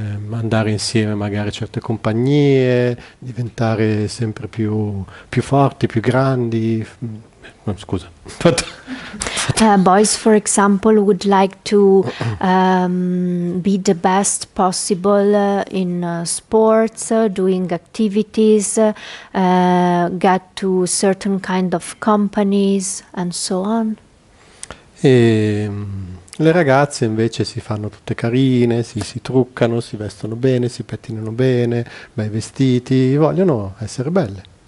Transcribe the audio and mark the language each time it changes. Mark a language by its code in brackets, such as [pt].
[it] Andare insieme magari a certe compagnie, diventare sempre più forti, più grandi. Scusa, [en] Boys, for example, would like to [it] ho fatto. [en] be the best possible in sports, doing activities, get to certain kind of companies, and so on. [it] E le ragazze invece si fanno tutte carine, si truccano, si vestono bene, si pettinano bene, bei vestiti, vogliono essere belle.